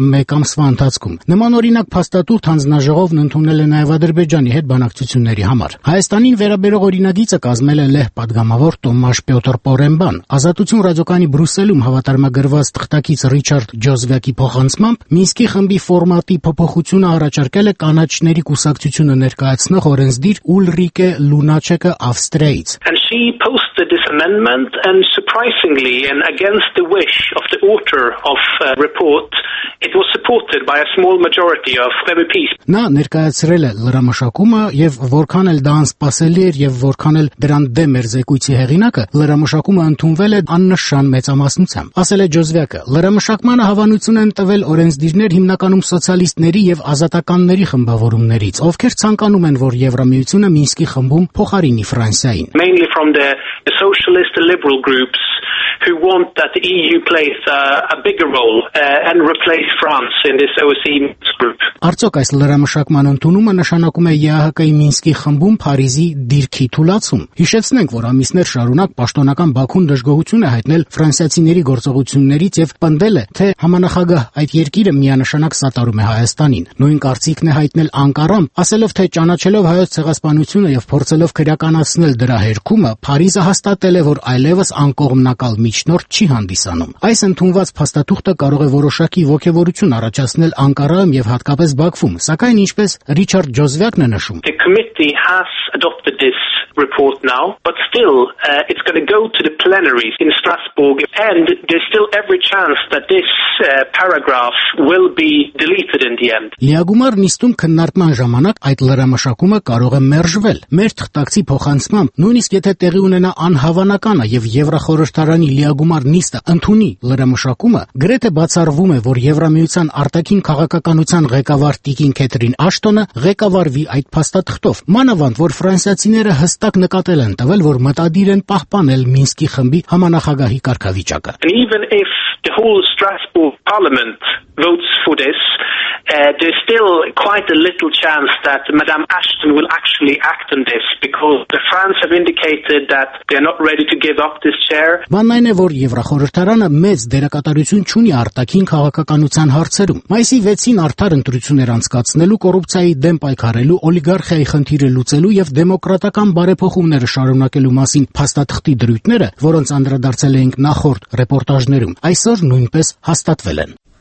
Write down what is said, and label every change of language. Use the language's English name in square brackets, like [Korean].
[Armenian] մեկ ամսվա ընթացքում։ Նմանօրինակ փաստաթուղթ հանձնաժողովն ընդունել է նաև Ադրբեջանի հետ բանակցությունների համար։ Հայաստանին վերաբերող օրինագիծը կազմել է Լեհ պատգամավոր Տոմաս Պյոտր Պորենբան։ Ազատություն ռադիոկանի Բրյուսելում հավատարմագրված թղթակից Ռիչարդ Ջոզվյակի փոխանցմամբ Մինսկի խմբի ֆորմատի փոփոխությունը առաջարկել է կանաչների կուսակցությունը ներկայացնող օրենսդիր Ուլրիկե Լունաչեկը Ավստրիայից։ [English] This amendment, and surprisingly, and against the wish of the author of the report, it was supported by a small majority of MPs. [Armenian] Նա ներկայացրել է լրամշակումը, և որքան էլ դա անսպասելի էր, և որքան էլ դրան դեմ էր զեկույցի հեղինակը, լրամշակումը ընդունվել է աննշան մեծամասնությամբ, ասել է Ջոզվյակը։ Լրամշակմանը հավանություն են տվել օրենսդիրներ հիմնականում սոցիալիստների և ազատականների խմբավորումներից, ովքեր ցանկանում են, որ Եվրամիությունը Մինսկի խմբում փոխարինի Ֆրանսիային։ [English] Mainly from the socialist liberal groups who want that the EU plays a bigger role and replace France in this OSCE group. [Armenian] Արդյոք այս լրամշակման ընդունումը նշանակում է ԵԱՀԿ-ի Մինսկի խմբում Փարիզի դիրքի թուլացում։ Հիշեցնենք, որ ամիսներ շարունակ պաշտոնական Բաքուն դժգոհություն է հայտնել ֆրանսիացիների գործողություններից և պնդել է, թե համանախագահ այդ երկիրը միանշանակ սատարում է Հայաստանին։ Նույն կարծիքն է հայտնել Անկարան, ասելով, թե ճանաչելով հայոց ցեղասպանությունը և փորձելով քրեականացնել դրա հերքումը, Փարիզը հաստատել է, որ այլևս անկողմնակալ միջնորդ չի հանդիսանում։ Այս ընդունված փաստաթուղթը կարող է որոշակի ոգևորություն առաջացնել Անկարայում և հատկապես Բաքվում, սակայն, ինչպես Ռիչարդ Ջոզվյակն է նշում, [English] The committee has adopted this report now, but still it's going to go to the plenaries in Strasbourg, and there's still every chance that this paragraph will be deleted in the end. [Armenian] Լիագումար նիստում քննարկման ժամանակ այդ լրամշակումը կարող է մերժվել։ Մեր թղթակցի փոխանցմամբ, նույնիսկ եթե տեղի ունենա անհավանականը և Եվրախորհրդարանի լիագումար նիստը ընդունի լրամշակումը, գրեթե բացառվում է, որ Եվրամիության արտաքին քաղաքականության ղեկավար Տիկին Քեթրին Աշտոնը ղեկավարվի այդ փաստաթղթով, մանավանդ որ ֆրանսիացիները հստակ նկատել են տվել, որ մտադիր են պահպանել Մինսկի խմբի համանախագահի կարգավիճակը։ [English] The whole Strasbourg Parliament votes for this. There's still quite a little chance that Madame Ashton will actually act on this because the France have indicated that they are not ready to give up this chair. [Armenian] Բանն է, որ Եվրախորհրդարանը մեծ դերակատարություն չունի արտաքին քաղաքականության հարցերում։ Մայիսի 6-ին արդար ընտրություններ անցկացնելու, կոռուպցիայի դեմ պայքարելու, օլիգարխիայի խնդիրը լուծելու և դեմոկրատական բարեփոխումները շարունակելու մասին փաստաթղթի դրույթները, որոնց անդրադարձել էինք նախորդ ռեպորտաժներում, այսօր նույնպես հաստատվել են։